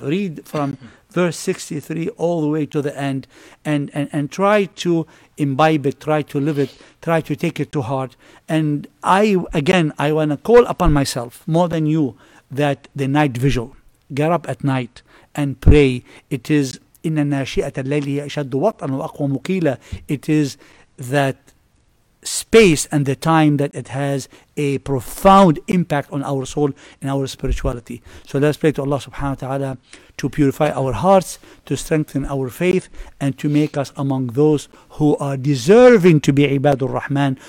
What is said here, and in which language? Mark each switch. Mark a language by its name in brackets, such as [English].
[English] Read from verse 63 all the way to the end. And try to imbibe it, try to live it, try to take it to heart. And I want to call upon myself more than you that the night vigil. Get up at night and pray. It is [Arabic] إن الناشئة الليل هي أشد وطئا وأقوى مقيلا. [English] It is that space and the time that it has a profound impact on our soul and our spirituality. So let's pray to Allah subhanahu wa ta'ala to purify our hearts, to strengthen our faith, and to make us among those who are deserving to be Ibadur Rahman.